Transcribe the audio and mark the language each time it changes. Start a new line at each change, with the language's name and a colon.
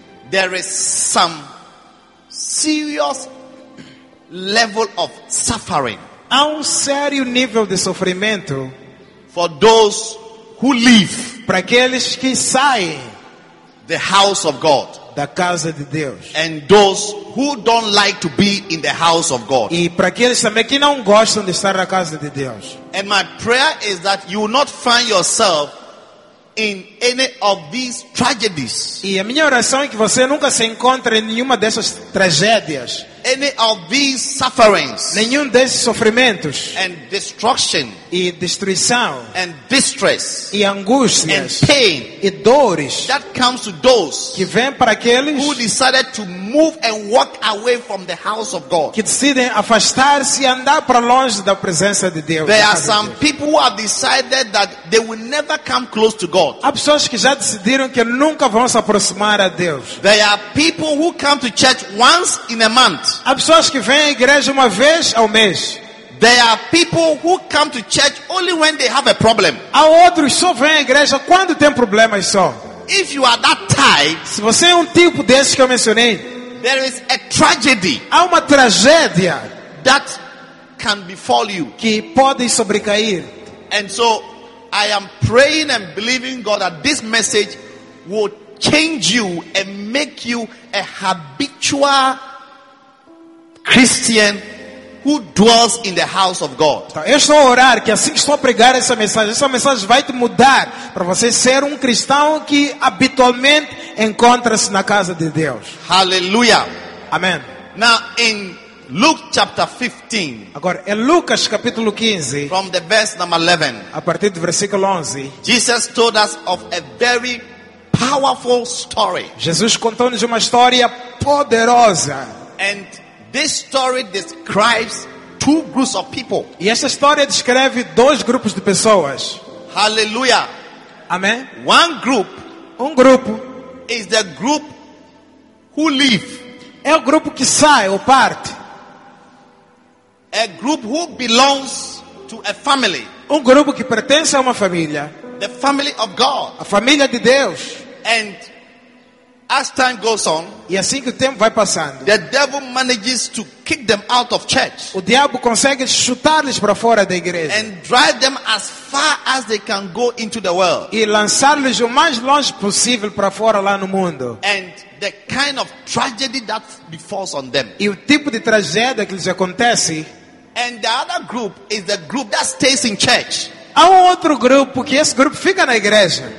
English: There is some serious level of suffering.
Portuguese: Há sério nível de sofrimento.
English: For those who live.
Portuguese: Para aqueles que saem.
English: The house of God.
Portuguese: Da casa de Deus.
English: And those who don't like to be in the house of God.
Portuguese: E para aqueles também que não gostam de estar na casa de Deus.
English: And my prayer is that you will not find yourself in any of these tragedies.
Portuguese: E a minha oração é que você nunca se encontre em nenhuma dessas tragédias.
English: Any of these sufferings.
Portuguese: Nenhum desses sofrimentos.
English: And destruction.
Portuguese: E destruição.
English: And distress.
Portuguese: E angústias.
English: And pain.
Portuguese: E dores.
English: That comes to those.
Portuguese: Que vem para aqueles.
English: Who decided to move and walk away from the house of God.
Portuguese: Que decidem afastar-se e andar para longe da presença de Deus.
English: There are some people who have decided that they will never come close to God.
Portuguese: Há pessoas que já decidiram que nunca vão se aproximar a Deus.
English: There are people who come to church once in a month.
Portuguese: Há pessoas que vêm à igreja uma vez ao mês.
English: There are people who come to church only when they have a problem.
Portuguese: Há outros só vêm à igreja quando tem problemas só.
English: If you are that type,
Portuguese: se você é tipo desse que eu mencionei,
English: there is a tragedy.
Portuguese: Há uma tragédia
English: that can befall you.
Portuguese: Que pode sobrecair.
English: And so I am praying and believing God that this message will change you and make you a habitual Christian who dwells in the house of God.
Portuguese: Eu estou a orar que assim que estou a pregar essa mensagem vai te mudar para você ser cristão que habitualmente encontra-se na casa de Deus.
English: Hallelujah.
Portuguese: Amen.
English: Now in Luke chapter 15.
Portuguese: Agora em Lucas capítulo 15.
English: From the verse number 11.
Portuguese: A partir do versículo 11.
English: Jesus told us of a very powerful story.
Portuguese: Jesus contou-nos uma história poderosa.
English: And this story describes two groups of people.
Portuguese: E essa história descreve dois grupos de pessoas.
English: Hallelujah.
Portuguese: Amen.
English: One group.
Portuguese: Grupo.
English: Is the group who leave.
Portuguese: É o grupo que sai ou parte.
English: A group who belongos to a family.
Portuguese: Grupo que pertence a uma família.
English: The family of God.
Portuguese: A família de Deus.
English: And as time goes on,
Portuguese: e assim que o tempo vai passando,
English: the devil manages to kick them out of church.
Portuguese: O diabo consegue chutá-los para fora da igreja.
English: And drive them as far as they can go into the world.
Portuguese: E lançá-los o mais longe possível para fora lá no mundo.
English: And the kind of tragedy that befalls on them.
Portuguese: E o tipo de tragédia que lhes acontece.
English: And the other group is the group that stays in church.
Portuguese: Há outro grupo que esse grupo fica na igreja.